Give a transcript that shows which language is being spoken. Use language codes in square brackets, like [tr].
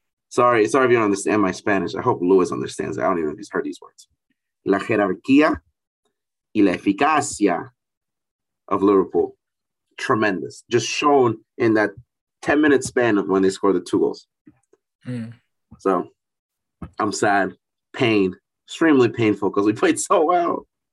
[en] Sorry if you don't understand my Spanish. I hope Luis understands. I don't even know if he's heard these words. [es] La jerarquía y la eficacia [en] of Liverpool. Tremendous. Just shown in that 10-minute span of when they scored the two goals. So, I'm sad. Pain. Extremely painful because we played so well.